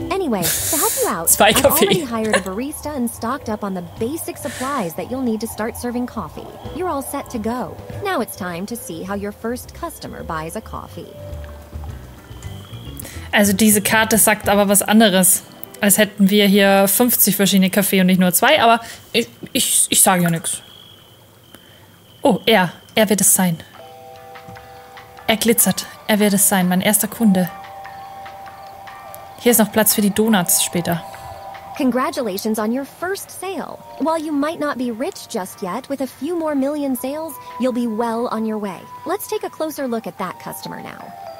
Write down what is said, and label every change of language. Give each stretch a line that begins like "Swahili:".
English: Anyway, to help you out, I already hired a barista and stocked up on the basic supplies that you'll need to start serving coffee. You're all set to go. Now it's time to see how your first customer buys a coffee.
German: Also diese Karte sagt aber was anderes, als hätten wir hier 50 verschiedene Kaffee und nicht nur zwei, aber ich sage ja nichts. Oh, er wird es sein. Er glitzert. Er wird es sein, mein erster Kunde. Hier ist noch Platz für die Donuts später.
English: Congratulations on your first sale. While you might not be rich just yet, with a few more million sales, you'll be well on your way. Let's take a closer look at that customer now.